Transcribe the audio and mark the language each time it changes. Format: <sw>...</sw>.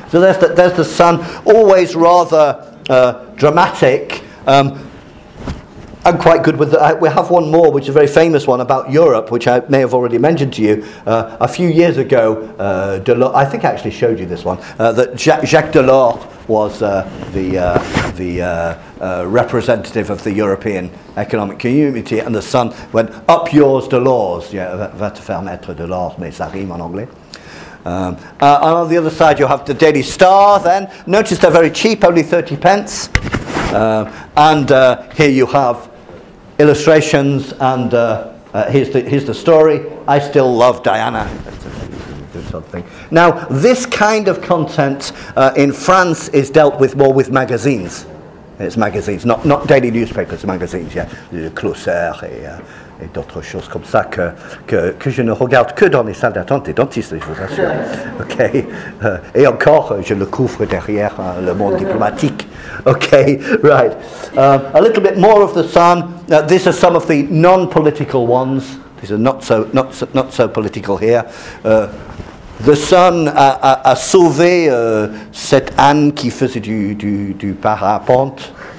<en>So there's the Sun, always rather dramatic and quite good with we have one more, which is a very famous one about Europe, which I may have already mentioned to you. A few years ago, I think I actually showed you this one, that Jacques Delors was the representative of the European Economic Community, and the Sun went, up yours, Delors.</en> <fr>Yeah, va te faire mettre Delors, mais ça rime en anglais.</fr> <en>And on the other side, you have the Daily Star then. Notice they're very cheap, only 30 pence. And here you have illustrations, and here's the story. I still love Diana. Now, this kind of content in France is dealt with more with magazines. It's magazines, not daily newspapers, magazines.</en> <fr>Yeah, Le Closer et d'autres choses comme ça que je ne regarde que dans les salles d'attente des dentistes, je vous assure. Okay, et encore, je le couvre derrière le monde diplomatique.</fr> <en>Okay, right. A little bit more of the Sun. These are some of the non-political ones. These are not so political here. The Sun</en> <fr>a sauvé cette Anne qui faisait du parapente.</fr>